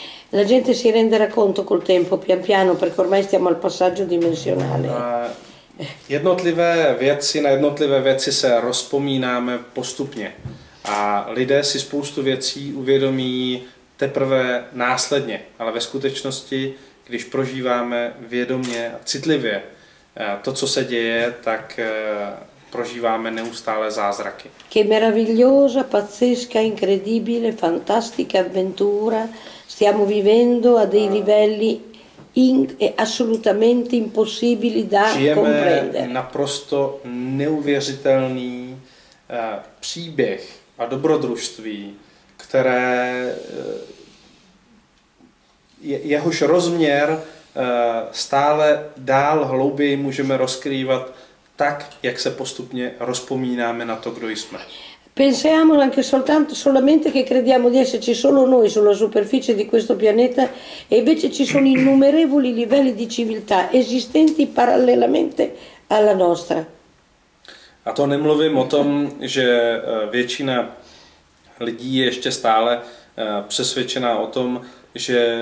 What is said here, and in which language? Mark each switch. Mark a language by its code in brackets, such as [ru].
[it] La gente si renderà conto col tempo, pian piano, perché ormai stiamo al passaggio dimensionale. [cs] Jednotlivé věci, na jednotlivé věci se rozpomínáme postupně. A lidé si spoustu věcí uvědomí teprve následně. Ale ve skutečnosti, když prožíváme vědomě a citlivě to, co se děje, tak prožíváme neustále zázraky. [it] Che meravigliosa, pazzesca, incredibile, fantastica avventura stiamo vivendo a dei livelli assolutamente impossibili da comprendere. [cs] Naprosto neuvěřitelný příběh a dobrodružství, které jehož rozměr stále dál hlouběji můžeme rozkrývat tak, jak se postupně rozpomínáme na to, kdo jsme. [it] Pensiamo anche soltanto solamente che crediamo di esserci solo noi sulla superficie di questo pianeta e invece ci sono innumerevoli livelli di civiltà esistenti parallelamente alla nostra. [cs] A to nemluvím o tom, že většina lidí je ještě stále přesvědčená o tom, že